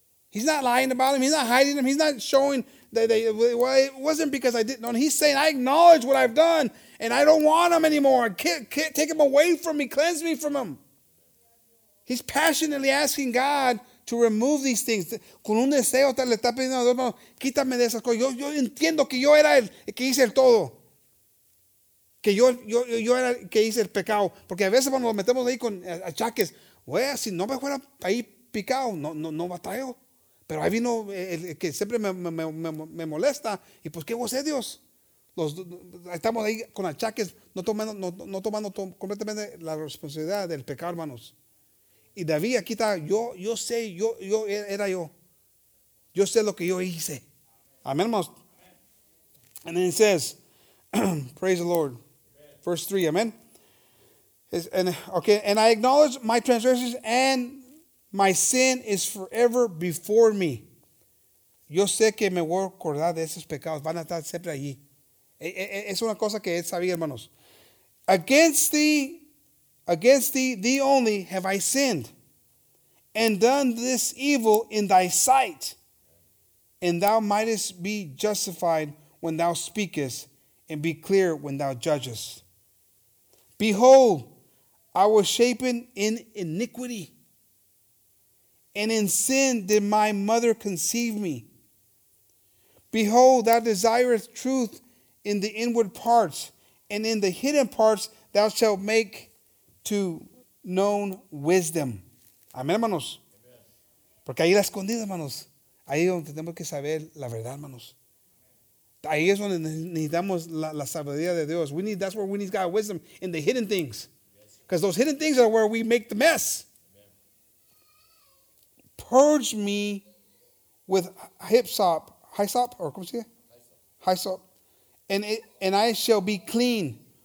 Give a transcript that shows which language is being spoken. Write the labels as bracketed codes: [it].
[en] He's not lying about him. He's not hiding him. He's not showing that well, it wasn't because I didn't. No, he's saying, I acknowledge what I've done, and I don't want him anymore. Can't take him away from me. Cleanse me from him. He's passionately asking God to remove these things. [es] Con un deseo, le está pidiendo a Dios, quítame de esas cosas. Yo entiendo que yo era el que hice el todo. Que yo era el que hice el pecado. Porque a veces cuando nos metemos ahí con achaques, güey, si no me fuera ahí picado, no batallo. Pero ahí vino el que siempre me molesta. Y pues, ¿qué vos es Dios? Estamos ahí con achaques, no tomando completamente la responsabilidad del pecado, hermanos. Y David aquí está, yo sé, era yo. Yo sé lo que yo hice. Amén, hermanos. [en] And then it says, praise the Lord. Verse 3, amen. And I acknowledge my transgressions and my sin is forever before me. [es] Yo sé que me voy a acordar de esos pecados. Van a estar siempre allí. Es una cosa que él sabía, hermanos. [en] Against thee only have I sinned and done this evil in thy sight. And thou mightest be justified when thou speakest and be clear when thou judgest. Behold, I was shapen in iniquity, and in sin did my mother conceive me. Behold, thou desirest truth in the inward parts, and in the hidden parts thou shalt make to known wisdom. [es] Amén, hermanos. Porque ahí la escondida, hermanos. Ahí es donde tenemos que saber la verdad, hermanos. Ahí es donde necesitamos la sabiduría de Dios. [en] That's where we need God's wisdom, in the hidden things. Because those hidden things are where we make the mess. Amen. Purge me with hyssop, or [es] ¿cómo se dice? [en] Hyssop. And I shall be clean.